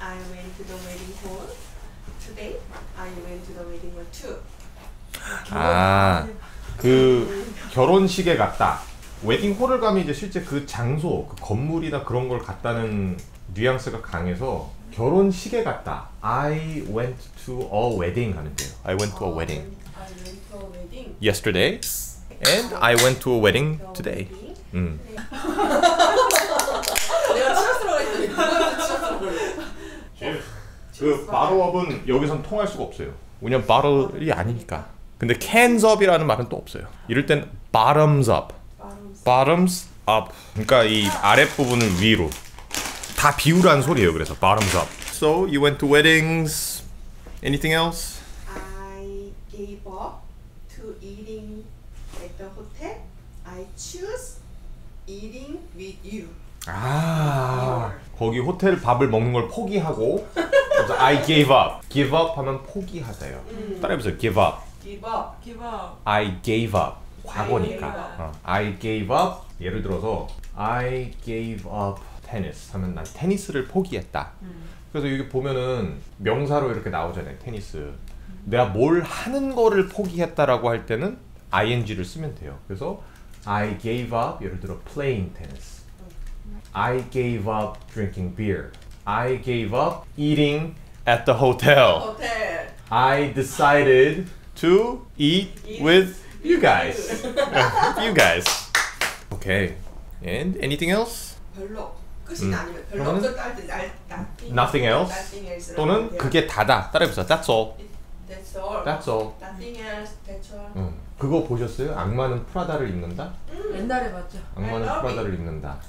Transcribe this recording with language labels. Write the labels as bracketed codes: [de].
[en] went to the wedding hall. Today I went to the wedding hall too. [ko] 아, 그 결혼식에 갔다. 웨딩홀을 가면 이제 실제 그 장소, 그 건물이나 그런 걸 갔다는 뉘앙스가 강해서 결혼식에 갔다. [en] I went to a wedding [ko] 하면 돼요. [en] I went to a wedding. I went to a wedding. Yesterday and I went to a wedding today. [ko] 내가 실수했더니 그 bottle up은 여기선 통할 수가 없어요. 왜냐면 bottle이 아니니까. 근데 cans up이라는 말은 또 없어요. 이럴 땐 [en] bottoms up. Bottoms up. [ko] 그러니까 이 아랫부분을 위로 다 비우라는 소리예요. 그래서 bottoms up. [en] So you went to weddings. Anything else? I gave up to eating at the hotel. I choose eating with you. [ko] 아, 거기 호텔 밥을 먹는 걸 포기하고 [en] I gave up. [ko] Give up 하면 포기하세요. [en] 따라해보세요. Give up. Give up. Give up. I gave up. [ko] 과거니까. [en] I gave up. [ko] 예를 들어서 [en] I gave up tennis [ko] 하면 난 테니스를 포기했다. 그래서 여기 보면은 명사로 이렇게 나오잖아요. 테니스. 내가 뭘 하는 거를 포기했다라고 할 때는 ing를 쓰면 돼요. [en] 그래서 I gave up [ko] 예를 들어 [en] playing tennis. I gave up drinking beer. I gave up eating at the hotel. I decided to eat with you guys. You guys. Okay. And anything else? [ko] 별로. 끝이 아니면 별로 없었다 할 때 [en] Nothing else? [ko] 또는 그게 다다. 따라해보세요. [en] That's all. That's all. That's all. Nothing else. That's all. [ko] 그거 보셨어요? 악마는 프라다를 입는다? 옛날에 봤죠. 악마는 프라다를 입는다.